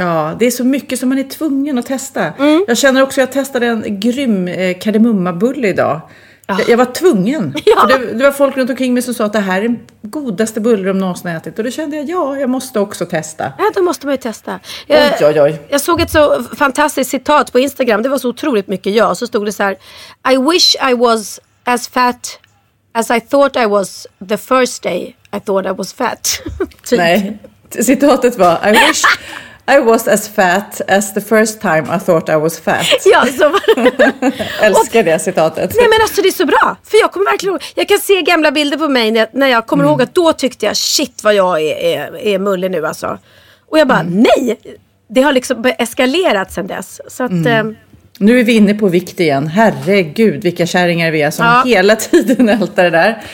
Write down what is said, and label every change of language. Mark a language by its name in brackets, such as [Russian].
[Swedish] Ja, det är så mycket som man är tvungen att testa. Jag känner också att jag testade en grym kardemummabulle idag. Ja. Jag var tvungen. Ja. För det var folk runt omkring mig som sa att det här är den godaste bullen de någonsin ätit. Och då kände jag, ja, jag måste också testa. Ja, då måste man ju testa. Oj. Jag såg ett så fantastiskt citat på Instagram. Det var så otroligt mycket jag. Så stod det så här: [English] I wish I was as fat as I thought I was the first day I thought I was fat. [Swedish] Typ. Nej, citatet var: [English] I wish... I was as fat as the first time I thought I was fat. [Swedish] Ja, så var det. Älskar det citatet. Nej, men alltså det är så bra. För jag kommer verkligen... jag kan se gamla bilder på mig när jag kommer ihåg att då tyckte jag, shit vad jag är mullig nu alltså. Och jag bara, nej! Det har liksom eskalerat sedan dess. Så att... Nu är vi inne på vikt igen. Herregud, vilka kärringar vi är som hela tiden ältar det där.